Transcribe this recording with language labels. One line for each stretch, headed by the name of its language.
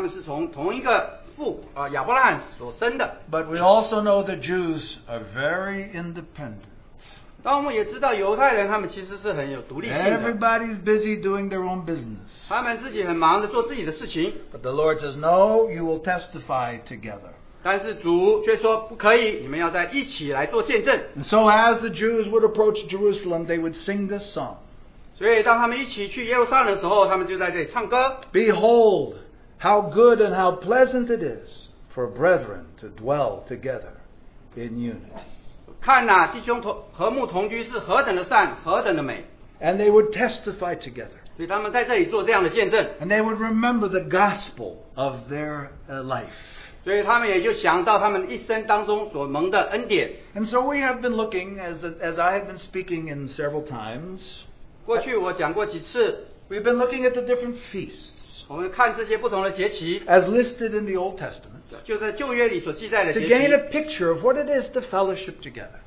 Chinese: 犹太人他们的确是一个子民，他们是从同一个父亚伯拉罕所生的。
English: But we also know the Jews are very independent.
Chinese: 但我们也知道犹太人他们其实是很有独立性的。
English: Everybody's busy doing their own business.
Chinese: 他们自己很忙着做自己的事情。
English: But the Lord says, no, you will testify together.
Chinese: 但是主却说不可以，你们要在一起来做见证。
English: And so as the Jews would approach Jerusalem, they would sing this song.
Chinese: 所以当他们一起去耶路撒冷的时候，他们就在这里唱歌。
English: Behold, how good and how pleasant it is for brethren to dwell together in unity.
Chinese: 看哪，弟兄和睦同居是何等的善，何等的美。
English: And they would testify together. And they would remember the gospel of their life. And so we have been looking, as I have been speaking in several times, we've been looking at the different feasts as listed in the Old Testament to gain a picture of what it is to fellowship together.